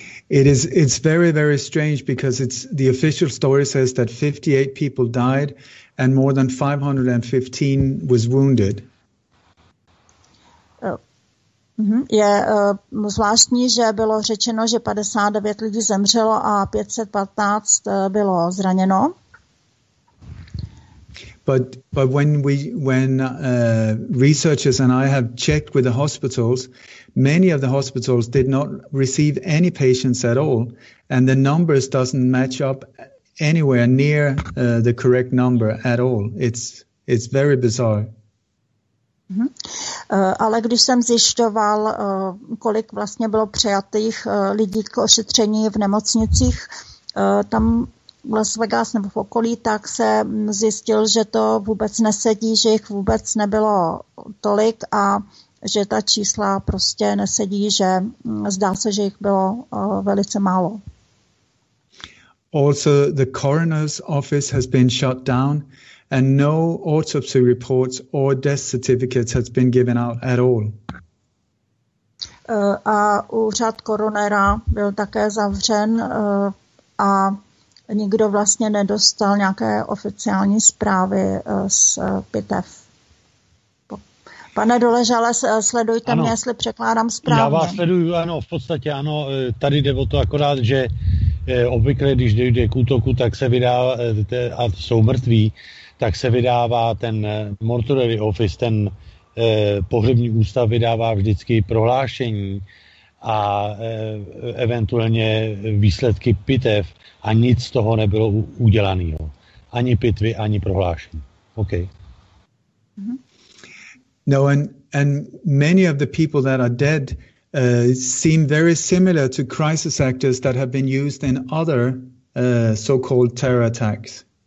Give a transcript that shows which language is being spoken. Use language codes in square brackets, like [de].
[en] It's very, very strange because the official story says that 58 people died and more than 515 was wounded. [cs] Je zvláštní, že bylo řečeno, že 59 lidí zemřelo a 515 bylo zraněno. [en] But when researchers and I have checked with the hospitals, many of the hospitals did not receive any patients at all, and the numbers doesn't match up anywhere near the correct number at all. It's very bizarre. [cs] Ale když jsem zjišťoval, kolik vlastně bylo přijatých lidí k ošetření v nemocnicích tam v Las Vegas nebo v okolí, tak se zjistil, že to vůbec nesedí, že jich vůbec nebylo tolik a že ta čísla prostě nesedí, že zdá se, že jich bylo velice málo. [en] Also, the coroner's office has been shut down. And no autopsy reports or death certificates has been given out at all. [cs] A úřad koronera byl také zavřen a nikdo vlastně nedostal nějaké oficiální zprávy z pitev. Pane Doležale, sledujte mě, jestli překládám správně. Já vás sleduju, ano, v podstatě ano. Tady jde o to akorát, že obvykle, když dojde k útoku, tak se vydá a jsou mrtví, tak se vydává ten [en] mortuary office, [cs] ten pohřební ústav vydává vždycky prohlášení a eventuálně výsledky pitev a nic z toho nebylo udělaného. Ani pitvy, ani prohlášení. OK. [en] No and many of the people that are dead seem very similar to crisis actors that have been used in other so-called terror attacks.